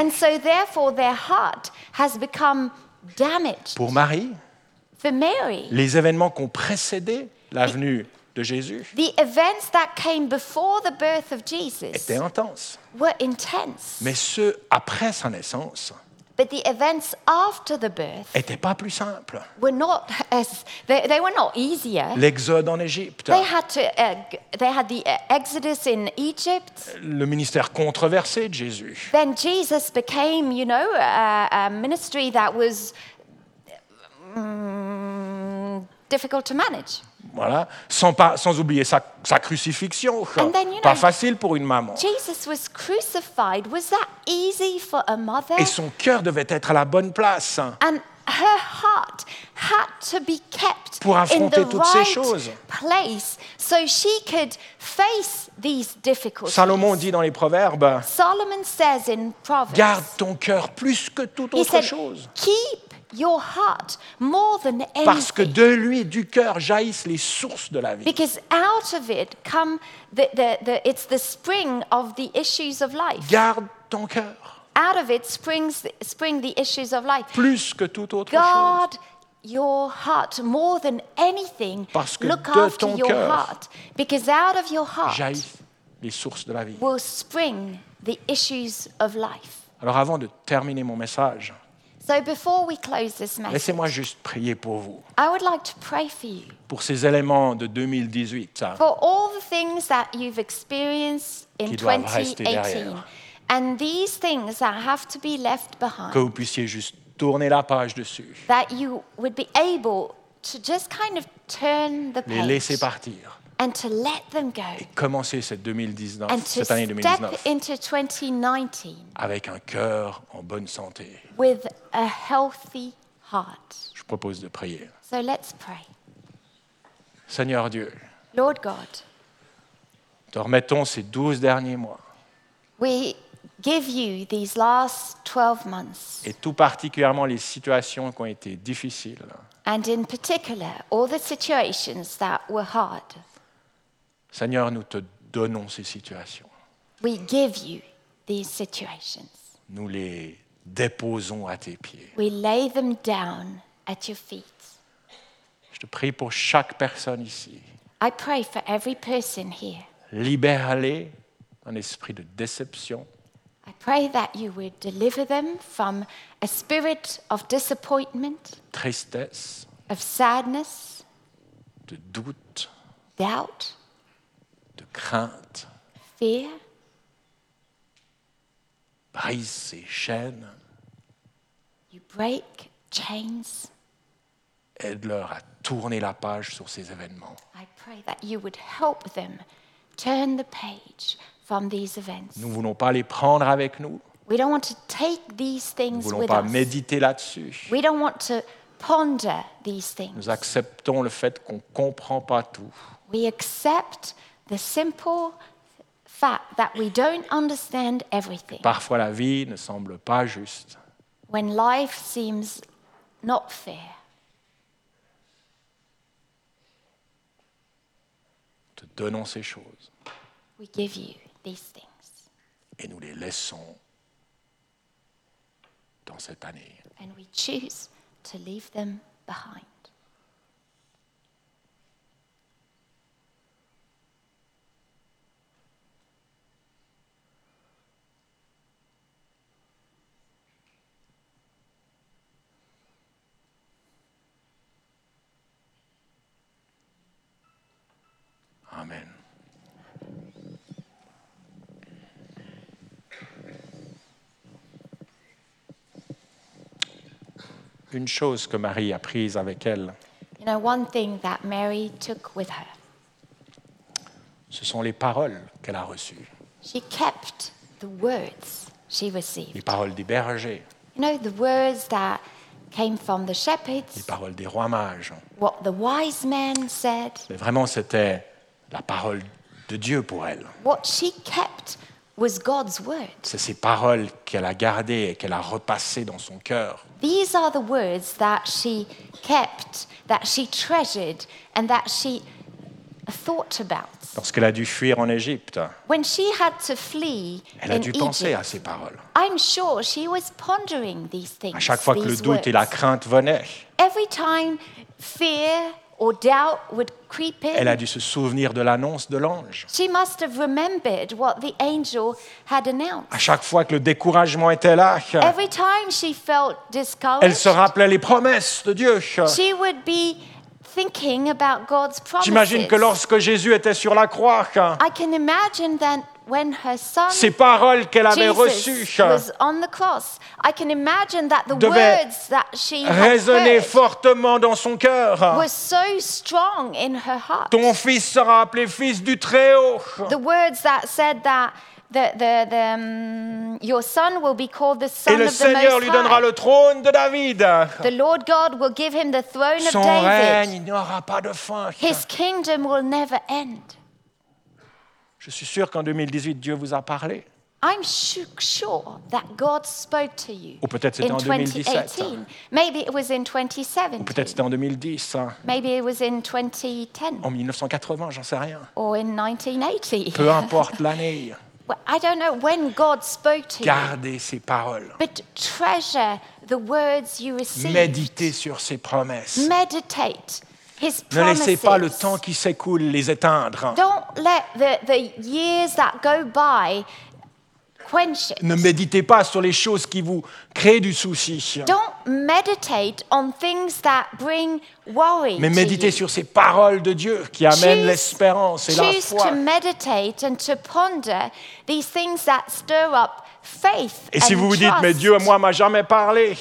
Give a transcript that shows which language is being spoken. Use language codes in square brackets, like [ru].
[en] And so therefore their heart has become damaged. [fr] Pour Marie, [en] for Mary, [fr] les événements qui ont précédé la venue de Jésus, [en] the events that came before the birth of Jesus, [fr] étaient intenses. [en] Were intense. [fr] Mais ceux après sa naissance, [en] but the events after the birth, [fr] étaient pas plus simples. [en] Were not as they were not easier. [fr] L'exode en Égypte. [en] They had the exodus in Egypt. [fr] Le ministère controversé de Jésus. [en] Then Jesus became, you know, a ministry that was difficult to manage. [fr] Voilà, sans oublier sa crucifixion. [en] And then, you know, [fr] pas facile pour une maman. [en] Jesus was crucified. Was that easy for a mother? [fr] Et son cœur devait être à la bonne place. [en] And her heart had to be kept [fr] pour affronter [en] in the [fr] toutes [en] right [fr] ces choses. [en] Place so she could face these difficulties. [fr] Salomon dit dans les Proverbes, [en] Solomon says in Proverbs, [fr] garde ton cœur plus que toute autre [en] said, [fr] chose. [en] Keep your heart more than anything. [fr] Parce que de lui, du cœur, jaillissent les sources de la vie. [en] Because out of it come it's the spring of the issues of life. [fr] Garde ton cœur. [en] Out of it spring the issues of life. [fr] Plus que toute autre [en] guard [fr] chose. [en] Your heart more than anything. [fr] Parce que [en] look [fr] de [en] after [fr] ton [en] your [fr] cœur, [en] heart. Because out of your heart [fr] jaillissent les sources de la vie. [en] Will spring the issues of life. [fr] Alors avant de terminer mon message, [en] so before we close this message, [fr] laissez-moi juste prier pour vous. [en] I would like to pray for you. [fr] Pour ces éléments de 2018. [en] For all the things that you've experienced in 2018. And these things that have to be left behind. [fr] Que vous puissiez juste tourner la page dessus. [en] That you would be able to just kind of turn the page. [fr] Les laisser partir. [en] And to let them go. [fr] Et commencer cette année 2019. [en] And to step into 2019. [fr] Avec un cœur en bonne santé. [en] With a healthy heart. [fr] Je vous propose de prier. [en] So let's pray. [fr] Seigneur Dieu. [en] Lord God. [fr] Te remettons ces 12 derniers mois. [en] We give you these last 12 months. [fr] Et tout particulièrement les situations qui ont été difficiles. [en] And in particular, all the situations that were hard. [fr] Seigneur, nous te donnons ces situations. [en] We give you these situations. [fr] Nous les déposons à tes pieds. [en] We lay them down at your feet. [fr] Je te prie pour chaque personne ici. [en] I pray for every person here. [fr] Libère-les d'un esprit de déception. [en] I pray that you would deliver them from a spirit of disappointment, [fr] tristesse, [en] of sadness, [fr] de doute, [en] doubt, [fr] de crainte, [en] fear. [fr] Brise ces chaînes. [en] You break chains. [fr] Aide-leur à tourner la page sur ces événements. [en] I pray that you would help them turn the page from these events. [fr] Nous ne voulons pas les prendre avec nous. [en] We don't want to take these things with us. [fr] Nous ne voulons pas méditer là-dessus. [en] We don't want to ponder these things. [fr] Nous acceptons le fait qu'on ne comprend pas tout. [en] We accept the simple fact that we don't understand everything. [fr] Parfois la vie ne semble pas juste. [en] When life seems not fair. [fr] Te donnons ces choses. [en] We give you these things. [fr] Et nous les laissons dans cette année. [en] And we choose to leave them behind. Amen. [fr] Une chose que Marie a prise avec elle. [en] You know, one thing that Mary took with her. [fr] Ce sont les paroles qu'elle a reçues. [en] She kept the words she received. [fr] Les paroles des bergers. [en] You know, the words that came from the shepherds. [fr] Les paroles des rois mages. [en] What the wise men said. [fr] Mais vraiment, c'était la parole de Dieu pour elle. [en] What she kept was God's word. [fr] C'est ces paroles qu'elle a gardées et qu'elle a repassées dans son cœur. [en] These are the words that she kept, that she treasured, and that she thought about. [fr] Lorsqu'elle a dû fuir en Égypte. [en] When she had to flee in Egypt. [fr] Elle a dû penser à ces paroles. [en] I'm sure she was pondering these things. [fr] À chaque fois que le doute et la crainte venaient. [en] Every time fear or doubt would creep in. [fr] Elle a dû se souvenir de l'annonce de l'ange. [en] She must have remembered what the angel had announced. [fr] À chaque fois que le découragement était là. [en] Every time she felt discouraged. [fr] Elle se rappelait les promesses de Dieu. [en] She would be thinking about God's promises. [fr] J'imagine que lorsque Jésus était sur la croix. [en] I can imagine that when her son, [fr] ces paroles qu'elle avait [en] Jesus, [fr] reçues, [en] was on the cross. I can imagine that the words that she [fr] résonnaient fortement dans son cœur. [en] Were so strong in her heart. [fr] Ton fils sera appelé fils du Très-Haut. [en] The words that said that the your son will be called the son of the Most High. [fr] Et le Seigneur lui donnera le trône de David. [en] The Lord God will give him the throne son of David. [fr] Son règne n'aura pas de fin. [en] His kingdom will never end. [fr] Je suis sûr qu'en 2018, Dieu vous a parlé. [en] I'm sure that God spoke to you. [fr] Ou peut-être c'était [en] in 2017. Maybe it was in 2017. [fr] Ou peut-être c'était en 2010. [en] Maybe it was in 2010. [fr] En 1980, j'en sais rien. [en] Or in 1980. [fr] Peu importe l'année. [en] Well, I don't know when God spoke to you. [fr] Gardez ses paroles. [en] But treasure the words you received. [fr] Méditez sur ses promesses. [en] Meditate. [fr] Ne laissez pas le temps qui s'écoule les éteindre. [en] Don't let the years that go by quench it. [fr] Ne méditez pas sur les choses qui vous créent du souci. [en] Don't meditate on things that bring worry. [fr] Mais méditez sur ces paroles de Dieu qui amènent l'espérance et la foi. [en] Choose to meditate and to ponder these things that stir up faith. [fr] Et si vous vous dites, mais Dieu, moi, m'a jamais parlé.